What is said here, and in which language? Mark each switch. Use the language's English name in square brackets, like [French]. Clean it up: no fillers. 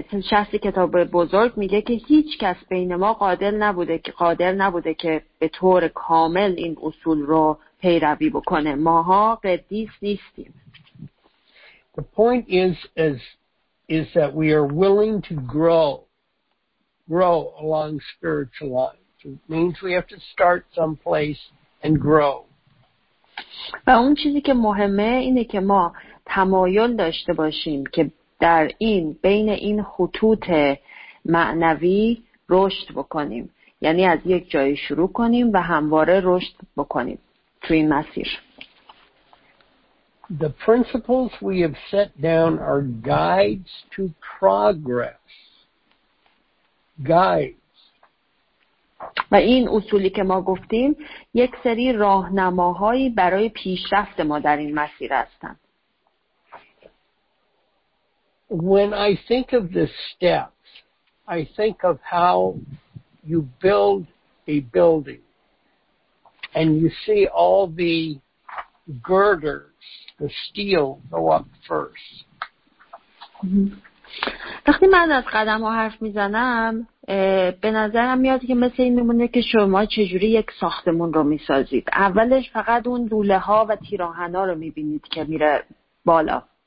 [Persian] شخصی کتاب بزرگ میگه که هیچ کس بین ما قادر نبوده که به طور کامل این اصول رو پیروی بکنه. ماها قدیس نیستیم. [English] The point is that we are willing to grow along spiritual lines. It means we have to start some place and grow. [Persian] و اون چیزی که مهمه اینه که ما تمایل داشته باشیم که در این بین این خطوط معنوی رشد بکنیم، یعنی از یک جای شروع کنیم و همواره رشد بکنیم توی این مسیر. [English] The principles we have set down are guides to progress. Guides. [Persian] و این اصولی که ما گفتیم یک سری راهنماهایی برای پیشرفت ما در این مسیر هستند. [English] When I think of the steps, I think of how you build a building and you see all the girders, the steel go up first. [Persian] وقتی من از قدم ها حرف میزنم به نظرم میاد که مثل این میمونه که شما چجوری یک ساختمون رو میسازید. اولش فقط اون لوله ها و تیراهن ها رو میبینید که میره بالا.